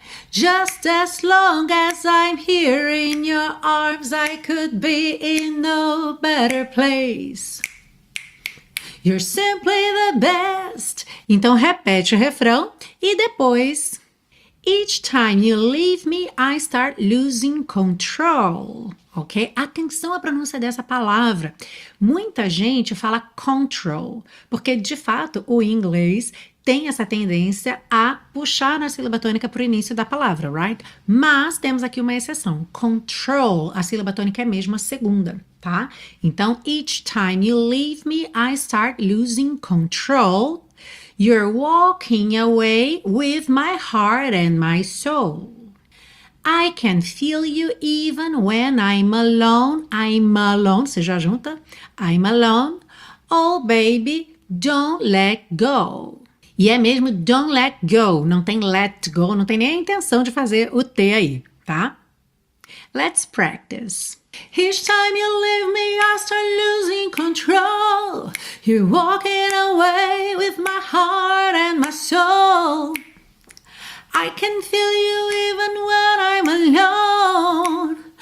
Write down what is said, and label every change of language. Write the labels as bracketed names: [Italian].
[English] Just as long as I'm here in your arms, I could be in no better place. You're simply the best. [Portuguese] Então repete o refrão e depois. [English] Each time you leave me, I start losing control. Ok? [Portuguese] Atenção à pronúncia dessa palavra. Muita gente fala control, porque de fato o inglês tem essa tendência a puxar na sílaba tônica para o início da palavra, right? Mas temos aqui uma exceção. Control, a sílaba tônica é mesmo a segunda, tá? [English] Então, each time you leave me, I start losing control. You're walking away with my heart and my soul. I can feel you even when I'm alone. I'm alone, [Portuguese] você já junta? [English] I'm alone. Oh, baby, don't let go. [Portuguese] E é mesmo [English] don't let go, [Portuguese] não tem let go, não tem nem a intenção de fazer o T aí, tá? [English] Let's practice. Each time you leave me, I start losing control. You're walking away with my heart and my soul. I can feel you even when I'm alone.